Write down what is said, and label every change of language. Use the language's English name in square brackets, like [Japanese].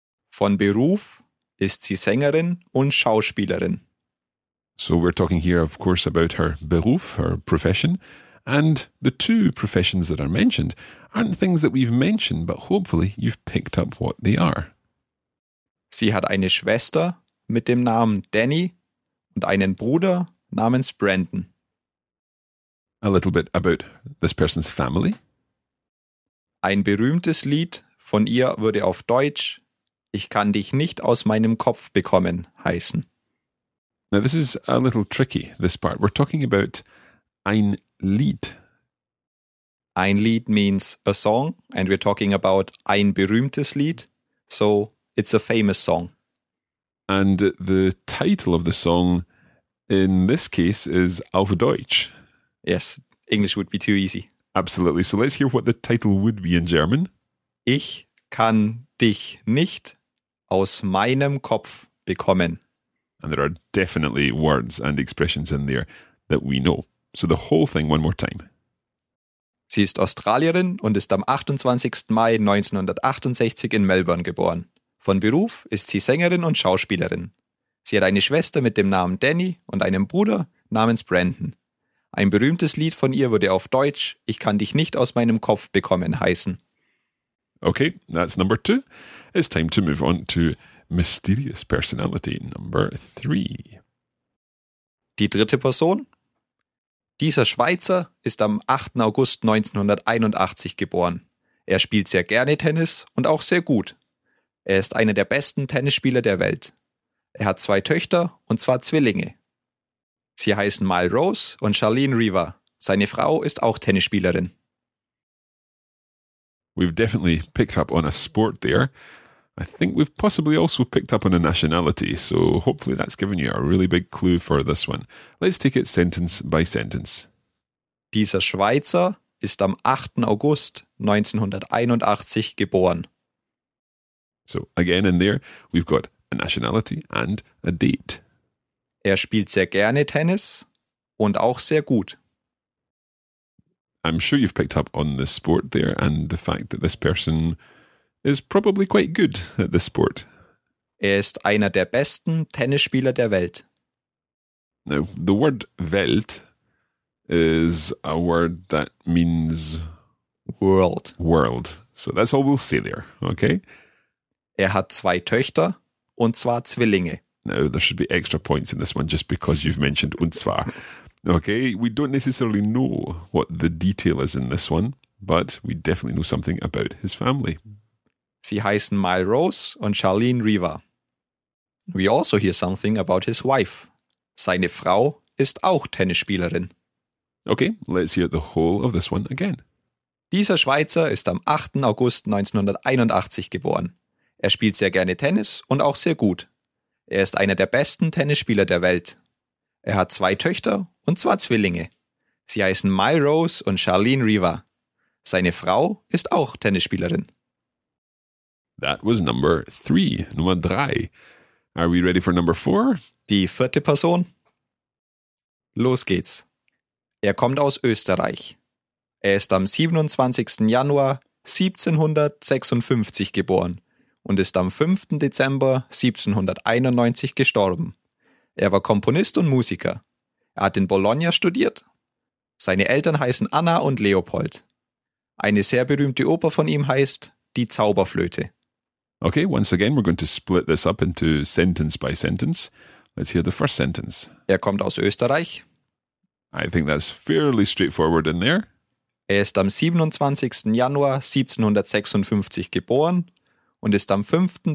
[German] Von Beruf ist sie Sängerin und Schauspielerin. [English] So we're talking here, of course, about her Beruf, her profession, and the two professions that are mentioned aren't things that we've mentioned, but hopefully you've picked up what they are. [German] Sie hat eine Schwester mit dem Namen Danny und einen Bruder namens Brandon. [English] A little bit about this person's family. [German] Ein berühmtes Lied von ihr würde auf Deutsch "Ich kann dich nicht aus meinem Kopf bekommen" heißen. [English] Now this is a little tricky, this part. We're talking about [German] ein Lied. Ein Lied [English] means a song, and we're talking about [German] ein berühmtes Lied, [English] so it's a famous song. And the title of the song in this case is [German] Auf Deutsch. [English] Yes, English would be too easy. Absolutely. So let's hear what the title would be in German. [German] Ich kann dich nicht aus meinem Kopf bekommen. [English] And there are definitely words and expressions in there that we know. So the whole thing one more time. [German] Sie ist Australierin und ist am 28. Mai 1968 in Melbourne geboren. Von Beruf ist sie Sängerin und Schauspielerin. Sie hat eine Schwester mit dem Namen Danny und einen Bruder namens Brandon. Ein berühmtes Lied von ihr würde auf Deutsch "Ich kann dich nicht aus meinem Kopf bekommen" heißen. [English] Okay, that's number two. It's time to move on to mysterious personality number three. [German] Die dritte Person. Dieser Schweizer ist am 8. August 1981 geboren. Er spielt sehr gerne Tennis und auch sehr gut. Er ist einer der besten Tennisspieler der Welt. Er hat zwei Töchter, und zwar Zwillinge. Sie heißen Mal Rose und Charlene Riva. Seine Frau ist auch Tennisspielerin. [English] We've definitely picked up on a sport there. I think we've possibly also picked up on a nationality, so hopefully that's given you a really big clue for this one. Let's take it sentence by sentence. [German] Dieser Schweizer ist am 8. August 1981 geboren. [English] So, again in there, we've got a nationality and a date. [German] Er spielt sehr gerne Tennis und auch sehr gut. [English] I'm sure you've picked up on the sport there and the fact that this person is probably quite good at the sport. [German] Er ist einer der besten Tennisspieler der Welt. [English] Now, the word Welt is a word that means world. World. So that's all we'll say there, okay? [German] Er hat zwei Töchter, und zwar Zwillinge. [English] Now, there should be extra points in this one just because you've mentioned [German] und zwar. [English] Okay, we don't necessarily know what the detail is in this one, but we definitely know something about his family. [German] Sie heißen Mal Rose und Charlene Riva. [English] We also hear something about his wife. [German] Seine Frau ist auch Tennisspielerin. [English] Okay, let's hear the whole of this one again. [German] Dieser Schweizer ist am 8. August 1981 geboren. Er spielt sehr gerne Tennis und auch sehr gut. Er ist einer der besten Tennisspieler der Welt. Er hat zwei Töchter, und zwar Zwillinge. Sie heißen Mal Rose und Charlene Riva. Seine Frau ist auch Tennisspielerin. [English] That was number three. [German] Nummer drei. [English] Are we ready for number four? [German] Die vierte Person. Los geht's. Er kommt aus Österreich. Er ist am 27. Januar 1756 geboren. Und ist am 5. Dezember 1791 gestorben. Er war Komponist und Musiker. Er hat in Bologna studiert. Seine Eltern heißen Anna und Leopold. Eine sehr berühmte Oper von ihm heißt Die Zauberflöte. [English] Okay, once again we're going to split this up into sentence by sentence. Let's hear the first sentence. [German] Er kommt aus Österreich. [English] I think that's fairly straightforward in there. [German] Er ist am 27. Januar 1756 geboren. Und ist am 5.